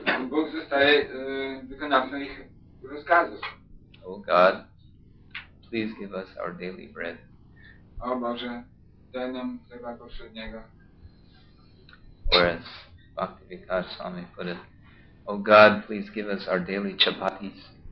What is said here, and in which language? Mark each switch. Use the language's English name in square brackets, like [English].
[Polish] Bóg zostaje wykonawcą ich rozkazów. [English] Oh God, please give us our daily bread. [Polish] O Boże, daj nam chleba powszedniego. [English] Or as Bhaktivikas Swami put it, oh God, please give us our daily chapatis.